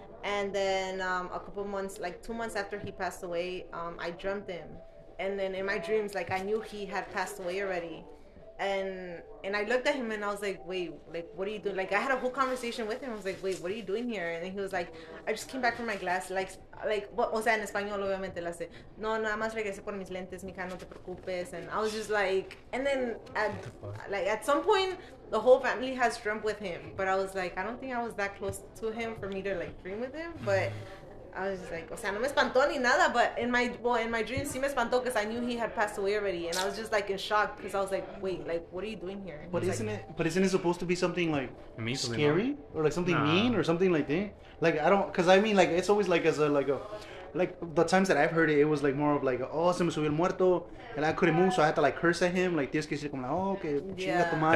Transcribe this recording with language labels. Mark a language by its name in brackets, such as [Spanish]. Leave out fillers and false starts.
[English] And then a couple months, like, 2 months after he passed away, I dreamt him. And then in my dreams, like, I knew he had passed away already. And I looked at him and I was like, wait, like, what are you doing? Like, I had a whole conversation with him. I was like, wait, what are you doing here? And then he was like, I just came back from my glass. Like, what? [Spanish] O sea, en español, obviamente, la sé. No, nada más regresé por mis lentes, mija, no te preocupes. [English] And I was just like, and then at some point, the whole family has dreamt with him. But I was like, I don't think I was that close to him for me to, like, dream with him. But I was just like, [Spanish] o sea, no me espantó ni nada. [English] But in my dreams, [Spanish] sí me espantó [English] because I knew he had passed away already. And I was just, like, in shock because I was like, wait, like, what are you doing here? But isn't it supposed to be something, like, scary? Or, like, something mean or something like that? Like, I don't, because I mean, like, it's always, like, as a, like, a, like, the times that I've heard it was, like, more of, like, oh, [Spanish] se me subió el muerto. [English] And I couldn't move, so I had to, like, curse at him. [Spanish] Like, tienes que decir, como, [English] like, oh, [Spanish] que chinga tu madre.